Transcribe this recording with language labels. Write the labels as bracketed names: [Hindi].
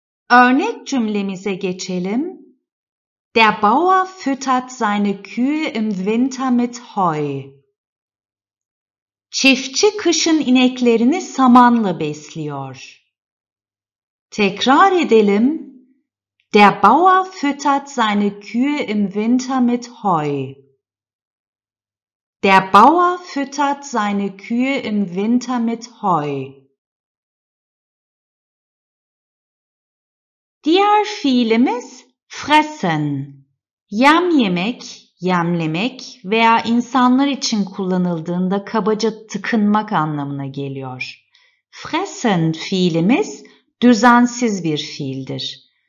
[Turkish] Örnek cümlemize geçelim. [German] Der Bauer füttert seine Kühe im Winter mit Heu. [Turkish] Çiftçi kışın ineklerini samanla besliyor. Tekrar edelim. [German] Der Bauer füttert seine Kühe im Winter mit Heu. Der Bauer füttert seine Kühe im Winter mit Heu. [Turkish] Diğer fiilimiz fressen. Yem yemek, yemlemek veya insanlar için kullanıldığında kabaca tıkınmak anlamına geliyor. Fressen fiilimiz düzensiz bir fiildir.